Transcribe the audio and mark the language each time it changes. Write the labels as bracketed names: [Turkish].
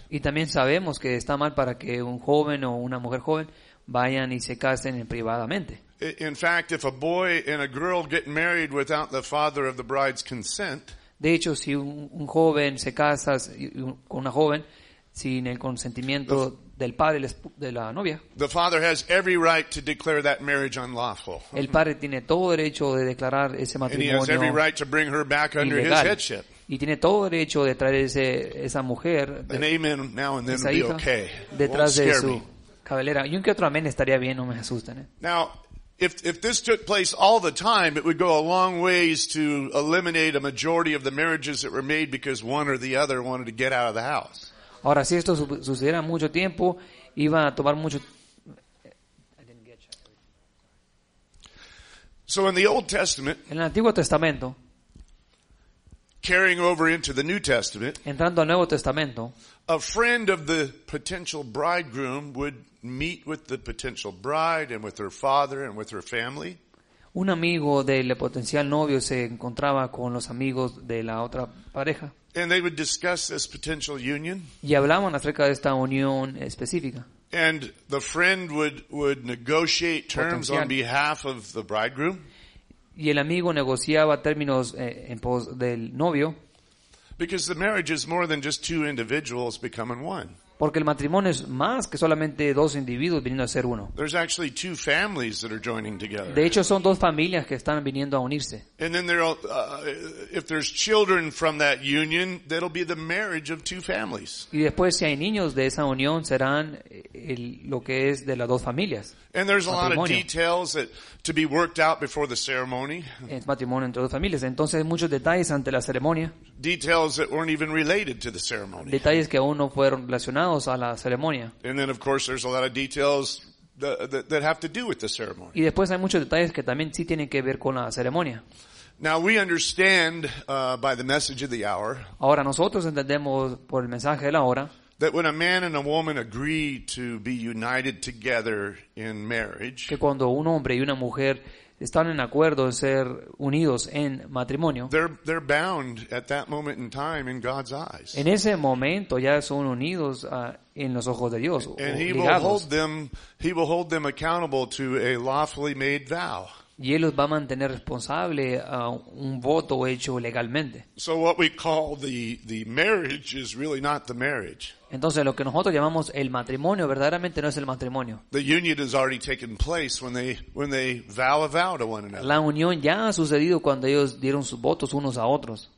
[Spanish] Y también sabemos que está mal para que un joven o una mujer joven vayan y se casen privadamente. [English] In fact, if a boy and a girl get married without the father of the bride's consent, [Spanish] de hecho, si un joven se casa con una joven sin el consentimiento del padre de la novia. [English] The father has every right to declare that marriage unlawful. [Spanish] El padre tiene todo derecho de declarar ese matrimonio ilegal. [English] And he has every right to bring her back under his headship. [Spanish] Y tiene todo derecho de traer esa mujer. [English] An amen now and then would be okay. [Spanish] Detrás de su cabellera. Y un que otro amén estaría bien, no me asusten. [English] Now, if this took place all the time, it would go a long ways to eliminate a majority of the marriages that were made because one or the other wanted to get out of the house. [Spanish] Ahora, si esto sucediera mucho tiempo, iba a tomar mucho. [English] So in the Old Testament, [Spanish] en el Antiguo Testamento, [English] carrying over into the New Testament, [Spanish] entrando al Nuevo Testamento, [English] a friend of the potential bridegroom would meet with the potential bride and with her father and with her family. [Spanish] Un amigo del potencial novio se encontraba con los amigos de la otra pareja. [English] And they would discuss this potential union. [Spanish] Y hablaban acerca de esta unión específica. [English] And the friend would negotiate terms on behalf of the bridegroom. [Spanish] Y el amigo negociaba términos en pos del novio. [English] Because the marriage is more than just two individuals becoming one. [Spanish] Porque el matrimonio es más que solamente dos individuos viniendo a ser uno. [English] There's actually two families that are joining together. [Spanish] De hecho, son dos familias que están viniendo a unirse. [English] And then there, if there's children from that union, that'll be the marriage of two families. [Spanish] Y después, si hay niños de esa unión, serán lo que es de las dos familias. [English] And there's a lot of details that to be worked out before the ceremony. [Spanish] Es matrimonio entre dos familias, entonces muchos detalles ante la ceremonia. [English] Details that weren't even related to the ceremony. [Spanish] Detalles que aún no fueron relacionados a la ceremonia. [English] And then of course there's a lot of details that have to do with the ceremony. [Spanish] Y después hay muchos detalles que también sí tienen que ver con la ceremonia. [English] Now we understand by the message of the hour. [Spanish] Ahora nosotros entendemos por el mensaje de la hora. [English] That when a man and a woman agree to be united together in marriage, [Spanish] que cuando un hombre y una mujer están en acuerdo en ser unidos en matrimonio, [English] they're bound at that moment in time in God's eyes. [Spanish] En ese momento ya son unidos en los ojos de Dios. [English] And he will hold them accountable to a lawfully made vow. [Spanish] Y él los va a mantener responsable a un voto hecho legalmente. [English] So what we call the marriage is really not the marriage. [Spanish] Entonces lo que nosotros llamamos el matrimonio verdaderamente no es el matrimonio. [English] The union has already taken place when they vow a vow to one another. [Spanish] La unión ya ha sucedido cuando ellos dieron sus votos unos a otros.